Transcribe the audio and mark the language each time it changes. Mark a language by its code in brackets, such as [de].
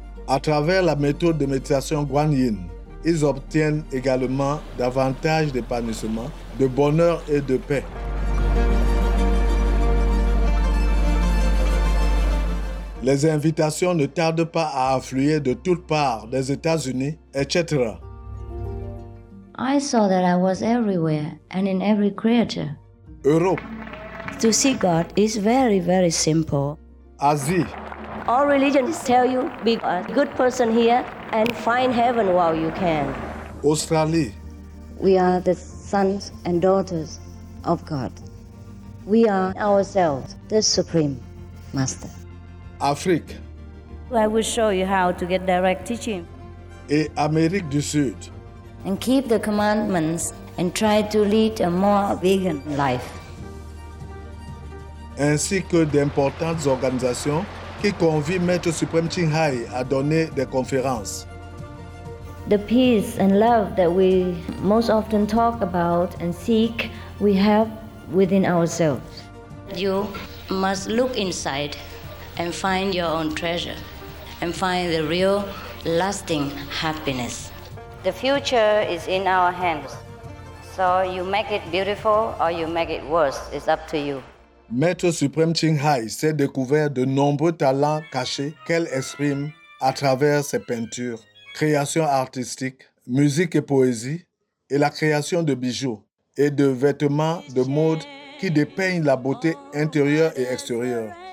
[fr] À travers la méthode de méditation Guan Yin, ils obtiennent également davantage d'épanouissement, de bonheur et de paix. Les invitations ne tardent pas à affluer de toutes parts, des États-Unis, etc. [en] I saw that I was everywhere and in every creature. [fr] Europe. [en] To see God is very, very simple. [fr] Asie. [en] All religions tell you be a good person here and find heaven while you can. Australia. We are the sons and daughters of God. We are ourselves the Supreme Master. [fr] Afrique. [en] I will show you how to get direct teaching. [fr] Et Amérique du Sud. [en] And keep the commandments and try to lead a more vegan life. [fr] Ainsi que d'importantes organisations qui convient Maître Suprême Ching Hai à donner des conférences. [en] The peace and love that we most often talk about and seek, we have within ourselves. You must look inside and find your own treasure and find the real lasting happiness. The future is in our hands. So you make it beautiful or you make it worse, it's up to you. [fr] Maître Suprême Ching Hai s'est découvert de nombreux talents cachés qu'elle exprime à travers ses peintures, créations artistiques, musique et poésie, et la création de bijoux et de vêtements de mode qui dépeignent la beauté intérieure et extérieure.